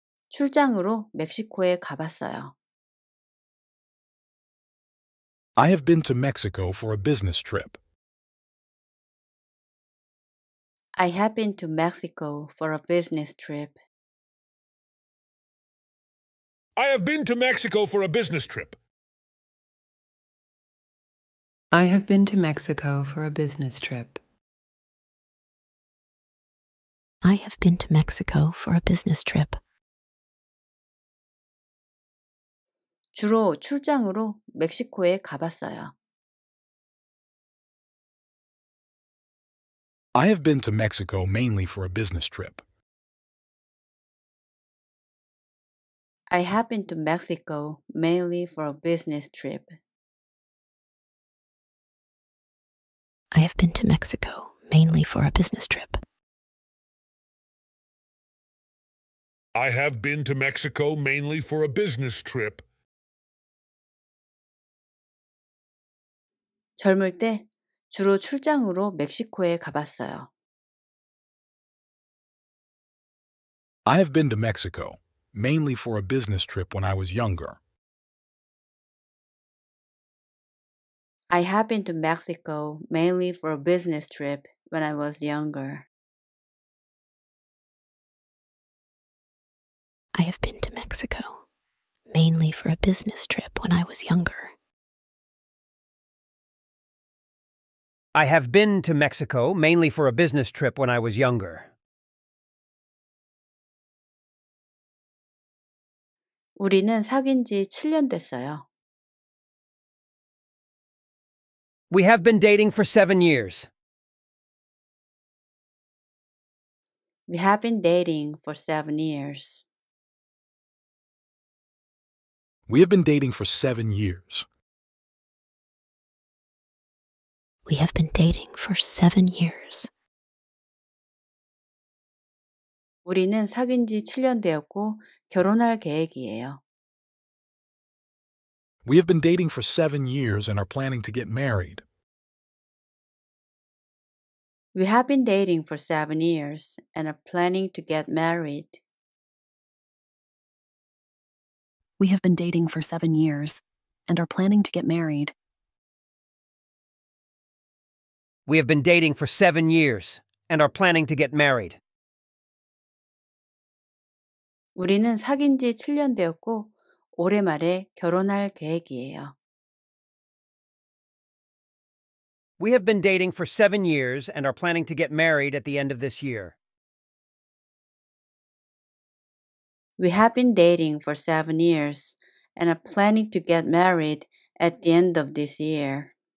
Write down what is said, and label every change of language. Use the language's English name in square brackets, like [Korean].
[Korean] 출장으로 멕시코에 가봤어요. [English] I have been to Mexico for a business trip. I have been to Mexico for a business trip. I have been to Mexico for a business trip. I have been to Mexico for a business trip. I have been to Mexico for a business trip. [Korean] 주로 출장으로 멕시코에 가봤어요. [English] I have been to Mexico mainly for a business trip. I have been to Mexico mainly for a business trip. I have been to Mexico mainly for a business trip. I have been to Mexico mainly for a business trip. [Korean] 젊을 때 주로 출장으로 멕시코에 가봤어요. [English] I have been to Mexico mainly for a business trip when I was younger. I have been to Mexico mainly for a business trip when I was younger. I have been to Mexico mainly for a business trip when I was younger. I have been to Mexico mainly for a business trip when I was younger. [Korean] 우리는 사귄 지 7년 됐어요. [English] We have been dating for 7 years. We have been dating for 7 years. We have been dating for 7 years. We have been dating for 7 years. [Korean] 우리는 사귄 지 7년 되었고 결혼할 계획이에요. [English] We have been dating for 7 years and are planning to get married. We have been dating for 7 years and are planning to get married. We have been dating for 7 years and are planning to get married. We have been dating for 7 years and are planning to get married. [Korean] 우리는 사귄 지 7년 되었고 올해 말에 결혼할 계획이에요. [English] We have been dating for 7 years and are planning to get married at the end of this year. We have been dating for 7 years and are planning to get married at the end of this year.